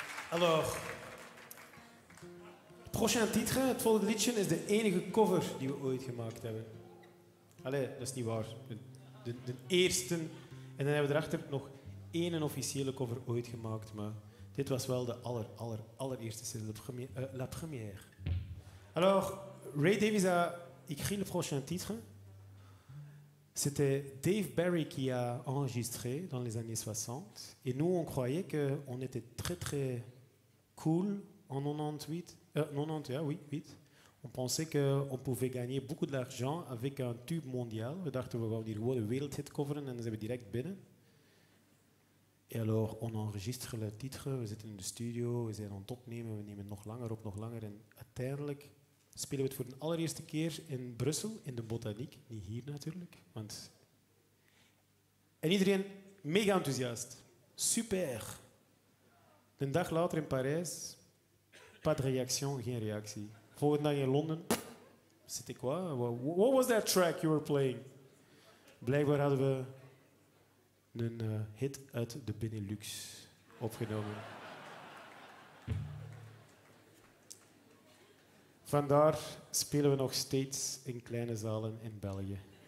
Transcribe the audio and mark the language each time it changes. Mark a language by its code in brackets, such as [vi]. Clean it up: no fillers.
[nl] Alors, het prochain titre, het volgende liedje, is de enige cover die we ooit gemaakt hebben. Allee, dat is niet waar. De eerste. En dan hebben we erachter nog één officiële cover ooit gemaakt, maar dit was wel de allereerste single, [fr] la première. Alors, Ray Davies a écrit le prochain titre. C'était Dave Barry qui a enregistré dans les années 60. Et nous, on croyait qu'on était très, très cool en 98. 98, oui, 8. On pensait qu'on pouvait gagner beaucoup d'argent avec un tube mondial. [nl] We dachten, we gaan die gewone wereldhit coveren en dan zijn we direct binnen. [fr] Et alors, on enregistre le titre, [nl] we zitten in de studio, we zijn aan het opnemen, we nemen nog langer op, nog langer. En uiteindelijk spelen we het voor de allereerste keer in Brussel, in de Botaniek. Niet hier natuurlijk, want... En iedereen mega enthousiast. Super. Een dag later in Parijs, [fr] pas de réaction, [nl] geen reactie. Volgende dag in Londen, [fr] c'était quoi? [en] What was that track you were playing? [nl] Blijkbaar hadden we een hit uit de Benelux opgenomen. Vandaar spelen we nog steeds in kleine zalen in België.